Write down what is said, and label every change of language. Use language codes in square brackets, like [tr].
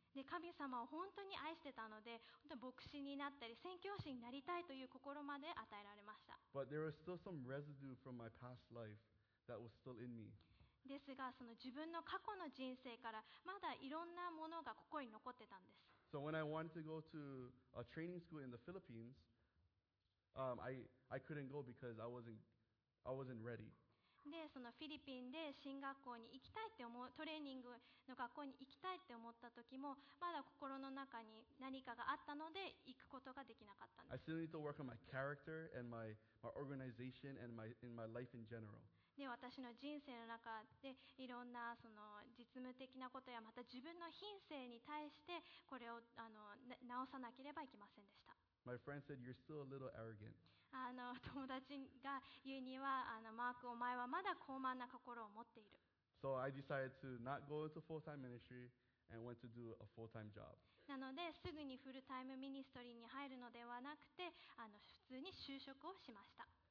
[ja] で神様を本当に愛してたので、本当に牧師になったり、宣教師になりたいという心まで与えられました。 [en] But there was still some residue from my past life that was still in me. [ja] ですが、その自分の過去の人生からまだいろんなものが心に残ってたんです。 [en] So when I wanted to go to a training school in the Philippines, I couldn't go because I wasn't ready. [ja] で、そのフィリピンで進学校に行きたいって思う、トレーニングの学校に行きたいって思った時も、まだ心の中に何かがあったので行くことができなかったんです。 [en] I still need to work on my character and my organization and my life in general. [ja] で、私の人生の中でいろんなその実務的なことやまた自分の品性に対してこれを直さなければいけませんでした。 [en] My friend said, "You're still a little arrogant." [ja] 友達が言うにはマーク、お前はまだ高慢な心を持っている。 [en] So I decided to not go into full-time ministry and went to do a full-time job. [ja] なのですぐにフルタイムミニストリーに入るのではなくて普通に就職をしました。